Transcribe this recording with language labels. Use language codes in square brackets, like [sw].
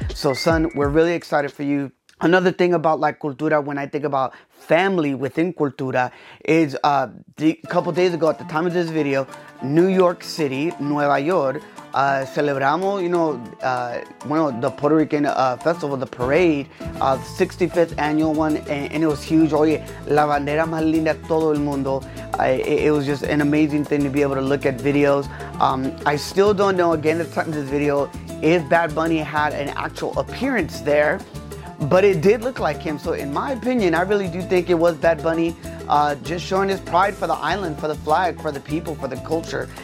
[en] So son, we're really excited for you. Another thing about like cultura, when I think about family within cultura, is a couple days ago at the time of this video, New York City, [es] Nueva York, celebramos, [en] you know, the Puerto Rican festival, the parade, 65th annual one, and it was huge. [es] Oye, la bandera más linda de todo el mundo. [en] It was just an amazing thing to be able to look at videos. I still don't know, again, at the time of this video, if Bad Bunny had an actual appearance there. But it did look like him. So in my opinion, I really do think it was Bad Bunny just showing his pride for the island, for the flag, for the people, for the culture.